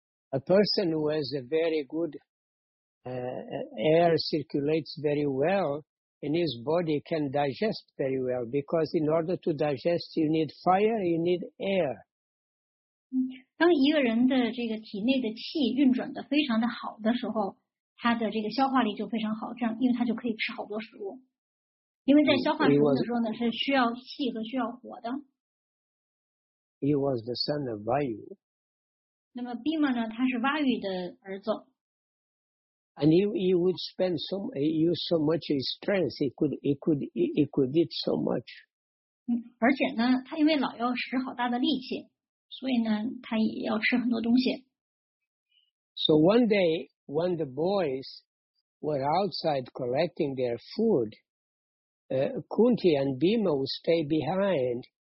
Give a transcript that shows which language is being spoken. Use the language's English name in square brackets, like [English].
[English] A person who has a very good air circulates very well in his body can digest very well because in order to digest you need fire, you need air. [Chinese] 当一个人的这个体内的气运转的非常的好的时候，他的这个消化力就非常好，这样因为他就可以吃好多食物。因为在消化食物的时候呢，是需要气和需要火的。 [English] He was the son of Vayu. [Chinese] 那么 Bhima 呢，他是 Vayu 的儿子。 [English] And he would spend so use so much his strength. He could eat so much. [Chinese] 而且呢，他因为老要使好大的力气，所以呢，他也要吃很多东西。 [English] So one day. When the boys were outside collecting their food, Kunti and Bhima would stay behind.